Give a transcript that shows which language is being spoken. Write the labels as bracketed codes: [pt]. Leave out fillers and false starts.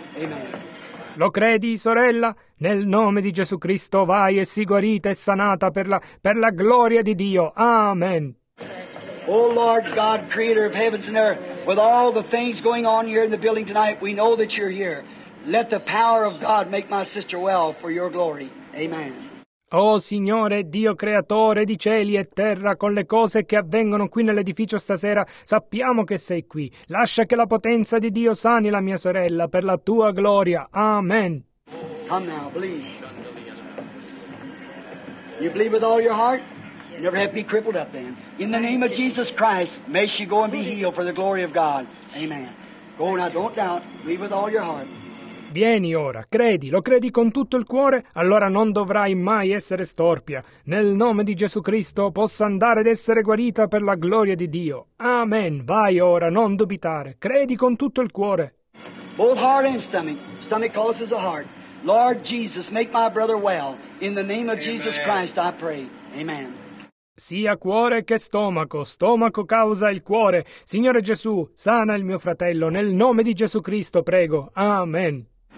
[en] Amen. [it] Lo credi, sorella? Nel nome di Gesù Cristo vai e sii guarita e sanata per la gloria di Dio. Amen. [en] O Lord God, creator of heavens and earth, with all the things going on here in the building tonight, we know that you're here. Let the power of God make my sister well for your glory. Amen. [it] Oh Signore, Dio creatore di cieli e terra, con le cose che avvengono qui nell'edificio stasera, sappiamo che sei qui. Lascia che la potenza di Dio sani la mia sorella per la tua gloria. Amen. [en] Come now, believe. You believe with all your heart? Never have to be crippled up then. In the name of Jesus Christ, may she go and be healed for the glory of God. Amen. Go now, don't doubt. Believe with all your heart. [it] Vieni ora, credi, lo credi con tutto il cuore, allora non dovrai mai essere storpia. Nel nome di Gesù Cristo possa andare ed essere guarita per la gloria di Dio. Amen. Vai ora, non dubitare. Credi con tutto il cuore. [en] Both heart and stomach. Stomach causes the heart. Lord Jesus, make my brother well. In the name of Jesus Christ I pray. Amen. [it] Sia cuore che stomaco, stomaco causa il cuore. Signore Gesù, sana il mio fratello, nel nome di Gesù Cristo prego. Amen.